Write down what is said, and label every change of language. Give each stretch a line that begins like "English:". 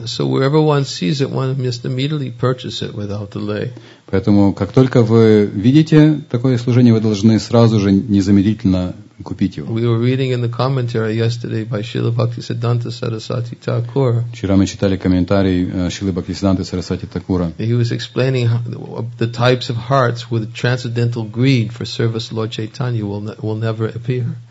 English: So wherever one sees it, one must immediately purchase it without delay.
Russian: Поэтому, как только вы видите такое служение, вы должны сразу же незамедлительно купить его.
English: We were reading in the commentary yesterday by Srila Bhaktisiddhanta Sarasvati Thakur.
Russian: Вчера мы читали комментарий Шрилы Бхактисиддханты Сарасвати Такура.
English: He was explaining the types of hearts with transcendental greed for service Lord Chaitanya will never appear.